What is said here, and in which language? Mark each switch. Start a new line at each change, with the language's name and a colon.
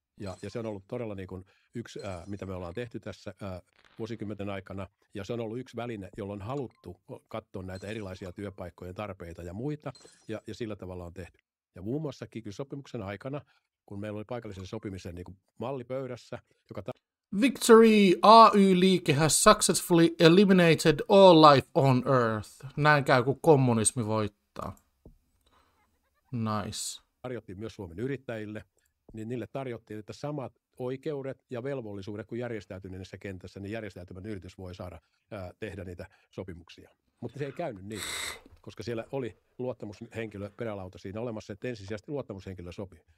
Finnish: Ja se on ollut todella niin kuin yksi, mitä me ollaan tehty tässä vuosikymmenten aikana. Ja se on ollut yksi väline, jolloin on haluttu katsoa näitä erilaisia työpaikkojen tarpeita ja muita. Ja sillä tavalla on tehty. Ja muun muassa kikysopimuksen aikana, kun meillä oli paikallisen sopimisen niin kuin malli pöydässä, joka...
English: Victory! AY-liike has successfully eliminated all life on earth.
Finnish: Näin käy, kun kommunismi voittaa.
English: Nice.
Finnish: Tarjottiin myös Suomen yrittäjille, niin niille tarjottiin, että samat oikeudet ja velvollisuudet kuin järjestäytyneessä kentässä, niin järjestäytymän yritys voi saada tehdä niitä sopimuksia. Mutta se ei käynyt niin, koska siellä oli luottamushenkilö perälauta siinä olemassa, että ensisijaisesti luottamushenkilö sopi.